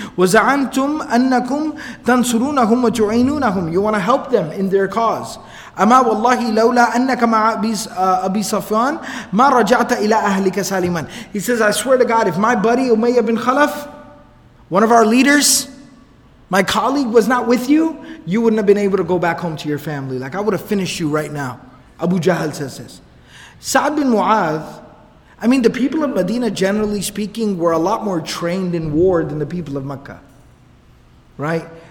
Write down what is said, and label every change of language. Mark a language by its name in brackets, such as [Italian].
[Arabic] Waza'antum annakum tansurunahum wa tu'inunahum. [English] You want to help them in their cause. [Arabic] أما والله لولا أنك مع أبي صفوان ما رجعت إلى أهلك سالما. [English] He says, I swear to God, if my buddy Umayyah bin Khalaf, one of our leaders, my colleague, was not with you, you wouldn't have been able to go back home to your family. Like, I would have finished you right now. Abu Jahl says this. Sa'ad bin Mu'adh, I mean, the people of Medina, generally speaking, were a lot more trained in war than the people of Mecca. Right?